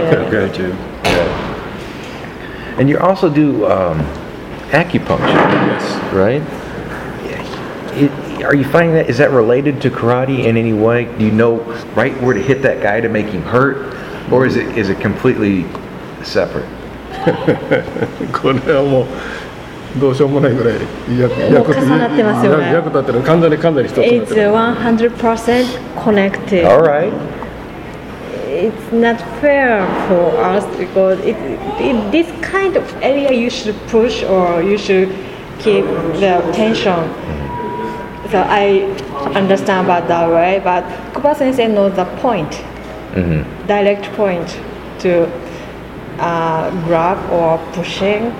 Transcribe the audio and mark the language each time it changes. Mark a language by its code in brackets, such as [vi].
[en] Goju. And you also do acupuncture. Yes. Right? Are you finding that, is that related to karate in any way? Do you know right where to hit that guy to make him hurt? Or is it completely separate? [ja] これはもうどうしようもないぐらい重なってますよね。役立ってる。完全に一つになってる。 [en] It's 100% connected. All right. It's not fair for us because it this kind of area you should push or you should keep the tension. So I understand about that way, but Kuba sensei knows the point, direct point to grab or pushing.